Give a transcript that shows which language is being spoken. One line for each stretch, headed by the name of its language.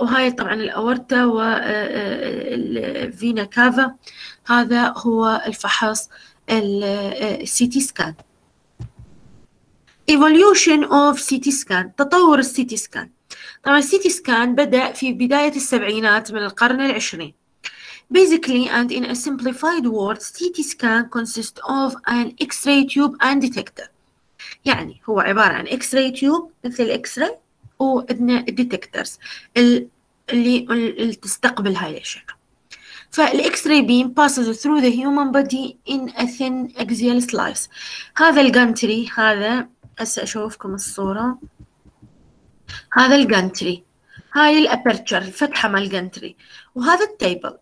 Arabic: وهاي طبعا الاورتا والفينا كافا، هذا هو الفحص السي تي سكان.
English: Evolution of CT scan،
Arabic: تطور
English: CT scan.
Arabic: طبعا CT scan بدأ في بداية السبعينات من القرن العشرين.
English: Basically and in a simplified word, CT scan consists of an X-ray tube and detector.
Arabic: يعني هو عبارة عن X-ray tube مثل X-ray وإدنا detectors اللي تستقبل هاي الأشياء.
English: فالX-ray beam passes through the human body in a thin axial slice.
Arabic: هذا الجانتري، هذا هسه اشوفكم الصورة، هذا الجنتري، هاي الابرتشر الفتحة مال الجنتري، وهذا التيبل.